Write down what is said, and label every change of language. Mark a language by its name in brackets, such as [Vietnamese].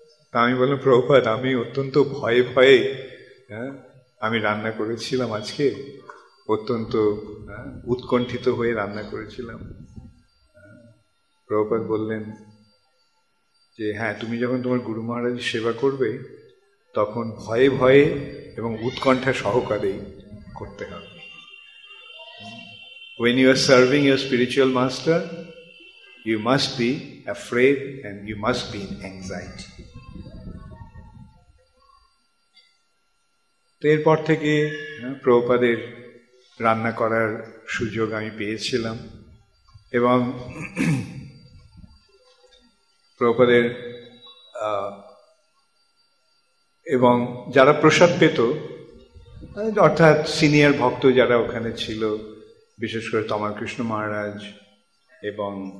[Bangla] তা আমি বললাম প্রভুপাদ আমি অত্যন্ত ভয়ে ভয়ে আমি রান্না করেছিলাম আজকে, অত্যন্ত উৎকণ্ঠিত হয়ে রান্না করেছিলাম। প্রভুপাদ বললেন যে হ্যাঁ তুমি যখন তোমার গুরু মহারাজের সেবা করবে তখন ভয়ে ভয়ে এবং উৎকণ্ঠা সহকারেই করতে হবে। [English] When you are serving your spiritual master, you must be afraid and you must be in anxiety. [Bangla] তের পর থেকে প্রভুপাদের রান্না করার সুযোগ আমি পেয়েছিলাম এবং প্রভুপাদের এবং যারা প্রসাদ পেত অর্থাৎ সিনিয়র ভক্ত যারা ওখানে ছিল, বিশেষ করে তমালকৃষ্ণ মহারাজ এবং